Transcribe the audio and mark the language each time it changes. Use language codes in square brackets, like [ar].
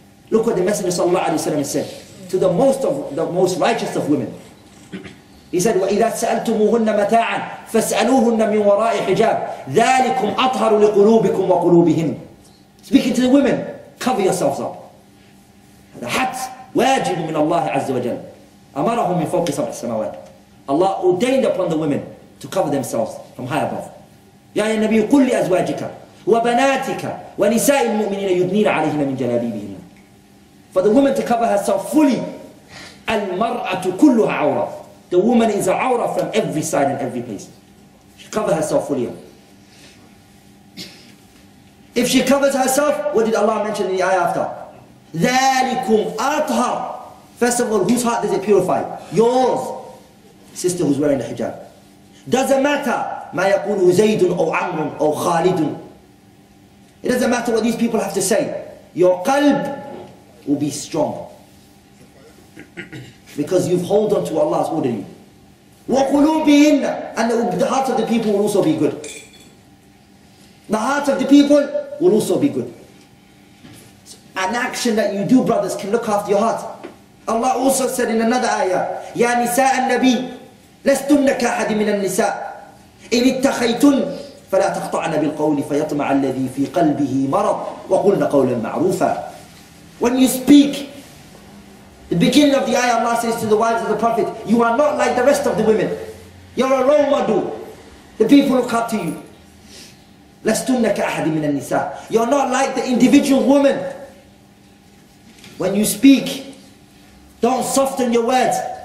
[en] Look what the Messenger sallallahu alayhi wa sallam said to the most righteous of women. [ar] He said, وَإِذَا سَأَلْتُمُهُنَّ مَتَاعًا فَاسْأَلُوهُنَّ مِنْ وَرَاءِ حِجَابٍ ذَلِكُمْ أَطْهَرُ لِقُلُوبِكُمْ وَقُلُوبِهِنْ. [en] Speaking to the women, cover yourselves up. The hats, [ar] واجب من الله عز وجل أمرهم من فوق سبع السماوات. [en] Allah ordained upon the women to cover themselves from high above. [ar] يا النبي قل لأزواجك وبناتك ونساء المؤمنين يدنين عليهن من جلابيبهن. [en] For the woman to cover herself fully. [ar] المرأة كلها عورة. [en] The woman is an awra from every side and every place. She covers herself fully. If she covers herself, what did Allah mention in the ayah after? [ar] ذَلِكُمْ أَطْهَرُ. [en] First of all, whose heart does it purify? Yours. Sister who's wearing the hijab. Doesn't matter [ar] مَا يَقُولُ زَيْدٌ أَوْ عَمْرٌ أَوْ خَالِدٌ. [en] It doesn't matter what these people have to say. Your قلب will be strong. Because you've hold on to Allah's order. [ar] وَقُلُوبِهِنَّ. [en] And the heart of the people will also be good. The heart of the people will also be good. So an action that you do, brothers, can look after your heart. Allah also said in another ayah, [ar] يَا نِسَاءَ النَّبِيِّ لَسْتُنَّ كَأَحَدٍ مِنَ النِّسَاءِ إِنِ اتَّخَيْتُنْ فَلَا تَقْطَعْنَ بِالْقَوْلِ فَيَطْمَعَ الَّذِي فِي قَلْبِهِ مَرَضٌ وَقُلْنَ قَوْلًا مَعْرُوفًا. [en] When you speak, the beginning of the ayah, Allah says to the wives of the Prophet, you are not like the rest of the women. You're a role model. The people look up to you. [ar] لَسْتُنَّ كَأَحَدٍ مِنَ النِّسَاءِ. [en] You're not like the individual woman. When you speak, don't soften your words.